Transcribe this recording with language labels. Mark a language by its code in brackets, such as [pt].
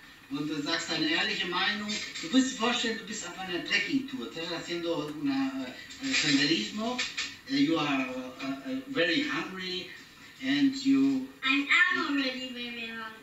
[de] Und du sagst deine ehrliche Meinung. Du musst dir vorstellen, du bist auf einer Trekkingtour. [es] Estás haciendo un senderismo. [en] You are very hungry and you. I am already very hungry.